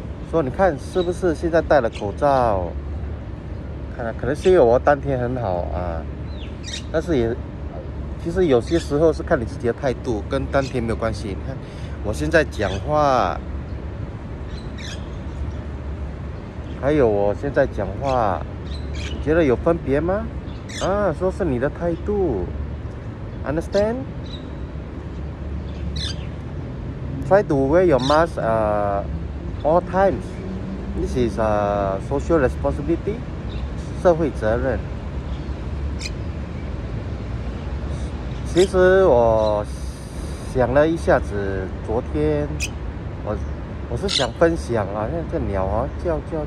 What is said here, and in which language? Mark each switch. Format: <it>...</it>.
<zh>说你看是不是现在戴了口罩？可能是因为我当天很好啊，但是也其实有些时候是看你自己的态度，跟当天没有关系。你看我现在讲话，还有我现在讲话，你觉得有分别吗？啊，说是你的态度 ，</zh> <en>understand？ Try to wear your mask all times. This is a social responsibility.</en> <zh>社会责任。其实我想了一下子，昨天我是想分享啊，像这鸟啊叫。</zh>